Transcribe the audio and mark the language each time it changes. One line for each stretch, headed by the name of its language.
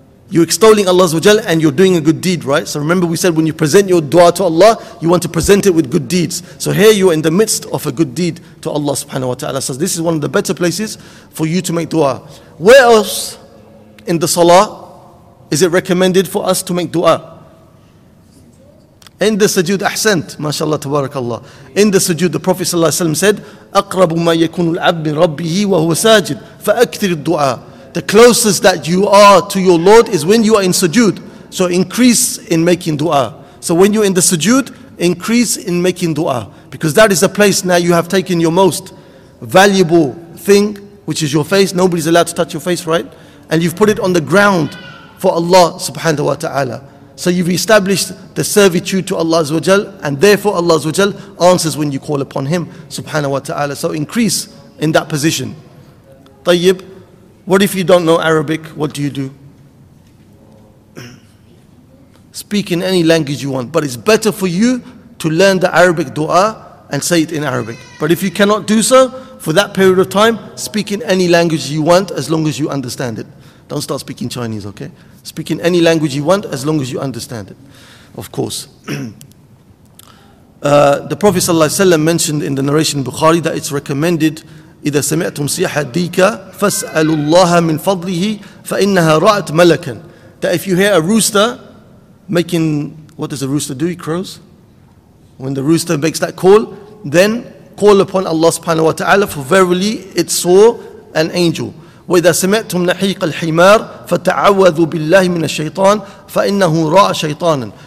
English: You're extolling Allah Azza wa Jal and you're doing a good deed, right? So remember we said when you present your dua to Allah, you want to present it with good deeds. So here you're in the midst of a good deed to Allah subhanahu wa ta'ala. So this is one of the better places for you to make dua. Where else in the salah is it recommended for us to make dua? In the sujood, ahsant, mashallah, tabarakallah. In the sujood, the Prophet said,
Arabic: أَقْرَبُ مَا يَكُونُ الْعَبْدُ مِنْ رَبِّهِ وَهُوَ سَاجِدٌ فَأَكْثِرِ الدُّعَى.
English: The closest that you are to your Lord is when you are in sujood. So increase in making dua. So when you're in the sujood, increase in making dua. Because that is the place now you have taken your most valuable thing, which is your face. Nobody's allowed to touch your face, right? And you've put it on the ground for Allah subhanahu wa ta'ala. So you've established the servitude to Allah Azza wa Jal, and therefore Allah Azza wa Jal answers when you call upon Him subhanahu wa ta'ala. So increase in that position. Tayyib, what if you don't know Arabic? What do you do? Speak in any language you want, but it's better for you to learn the Arabic dua and say it in Arabic. But if you cannot do so for that period of time, speak in any language you want as long as you understand it. Don't start speaking Chinese, okay? Speak in any language you want as long as you understand it, of course. The Prophet ﷺ mentioned in the narration in Bukhari that it's recommended,
Arabic: إِذَا سَمِعْتُمْ صِيحَ دِيكَ فَاسْأَلُوا اللَّهَ مِنْ فَضْلِهِ فَإِنَّهَا رَأَتْ مَلَكًا.
English: That if you hear a rooster making, what does a rooster do? He crows. When the rooster makes that call, then call upon Allah subhanahu wa ta'ala, for verily it saw an angel.
Arabic: وَإِذَا سَمِعْتُمْ نَحِيقَ الْحِمَارِ فَتَعَوَّذُوا بِاللَّهِ مِنَ الشَّيْطَانِ فَإِنَّهُ رَأَ شَيْطَانًا.